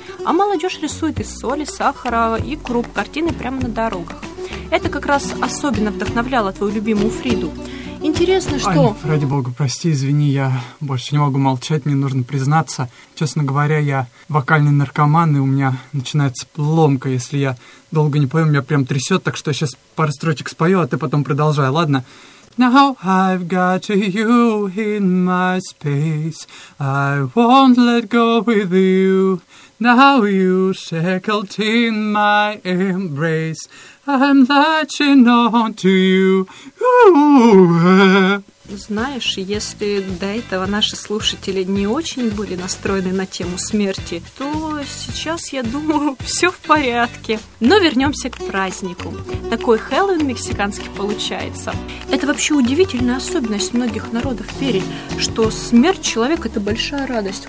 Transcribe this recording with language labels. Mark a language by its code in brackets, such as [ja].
[ru] А молодежь рисует из соли, сахара и круп картины прямо на дорогах. Это как раз особенно вдохновляло твою любимую Фриду. Интересно, что... Ань, ради бога, прости, извини, я больше не могу молчать, мне нужно признаться. Честно говоря, я вокальный наркоман, и у меня начинается ломка, если я долго не пою, меня прям трясет, так что я сейчас пару строчек спою, а ты потом продолжай, ладно? [en] Now I've got you in my space, I won't let go with you. Now you shackled in my embrace, I'm latching on to you. [ru] Знаешь, если до этого наши слушатели не очень были настроены на тему смерти, то сейчас, я думаю, все в порядке. Но вернемся к празднику. Такой Хэллоуин мексиканский получается. Это вообще удивительная особенность многих народов верить, что смерть человека – это большая радость.